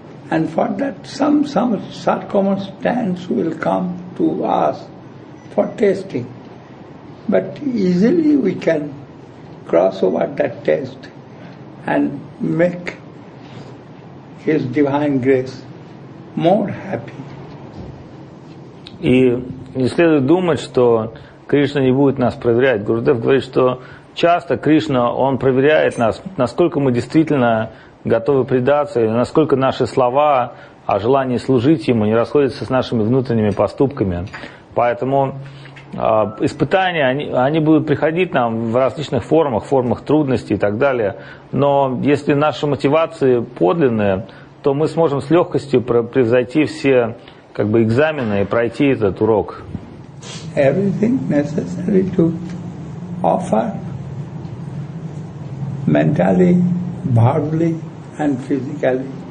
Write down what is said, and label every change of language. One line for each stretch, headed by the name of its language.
English: And for that some circumstance will come to us for testing, but easily we can cross over that test and make His divine grace more happy.
Russian: И не следует думать, что Кришна не будет нас проверять. Гурудев говорит, что часто Кришна, Он проверяет нас, насколько мы действительно готовы предаться, насколько наши слова о желании служить Ему не расходятся с нашими внутренними поступками. Поэтому испытания, они будут приходить нам в различных формах, формах трудностей и так далее. Но если наши мотивации подлинные, то мы сможем с легкостью превзойти все как бы, экзамены и пройти этот урок.
English: Everything necessary to offer mentally, bodily and physically.